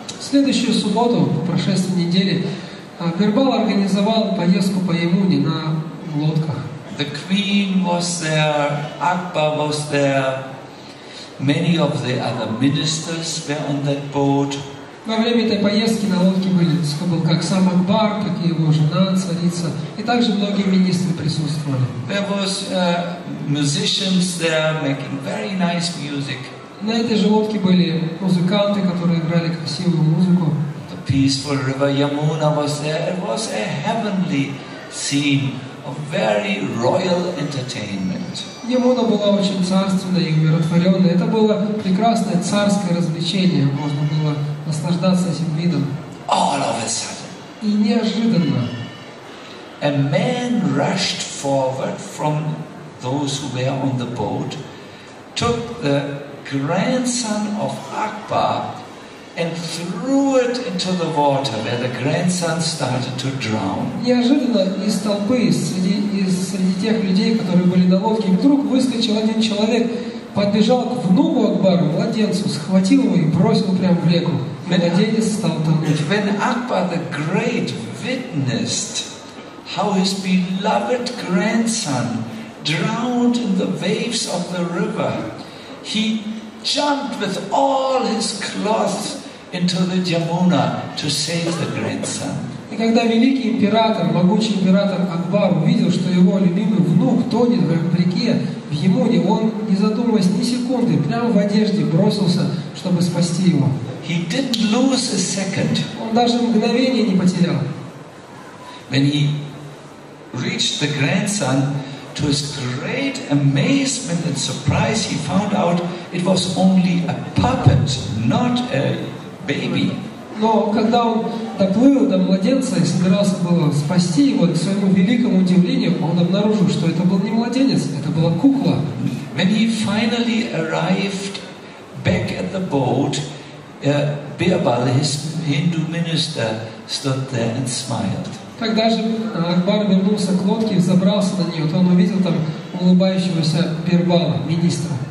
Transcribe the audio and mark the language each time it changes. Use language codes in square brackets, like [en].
[ru] В следующую субботу, по прошествии недели, Бирбал организовал поездку по Ямуне на лодках. [en] The queen was there, Akbar was there, many of the other ministers were on that boat. [ru] Во время этой поездки на лодке был как сам Акбар, так и его жена, царица, и также многие министры присутствовали. [en] There was musicians there making very nice music. [ru] На этой же лодке были музыканты, которые играли красивую музыку. [en] The peaceful river Yamuna was there. It was a heavenly scene of very royal entertainment. [ru] Ямуна была очень царственной и умиротворенной. Это было прекрасное царское развлечение. Можно было наслаждаться этим видом. [en] All of a sudden, [ru] и неожиданно, [en] a man rushed forward from those who were on the boat, took the grandson of Akbar and threw it into the water where the grandson started to drown. [ru] Неожиданно из толпы, среди тех людей, которые были на лодке, вдруг выскочил один человек, подбежал к внуку Акбару, младенцу, схватил его и бросил прямо в реку. Младенец стал тонуть. [en] When Akbar the Great witnessed how his beloved grandson drowned in the waves of the river. He jumped with all his cloth into the Yamuna to save the grandson. [ru] И когда великий император, могучий император Акбар увидел, что его любимый внук тонет в реке в Ямуне, он, не задумываясь ни секунды, прямо в одежде бросился, чтобы спасти его. [en] He didn't lose a second. [ru] Он даже мгновение не потерял. [en] When he reached the grandson, to his great amazement and surprise, he found out it was only a puppet, not a baby. [ru] Но когда он доплыл до младенца и собирался было спасти его, к своему великому удивлению, он обнаружил, что это был не младенец, это была кукла. [en] When he finally arrived back at the boat, Birbal, his Hindu minister, stood there and smiled. [ru] Когда же Акбар вернулся к лодке и забрался на нее, то он увидел там улыбающегося Бирбала, министра.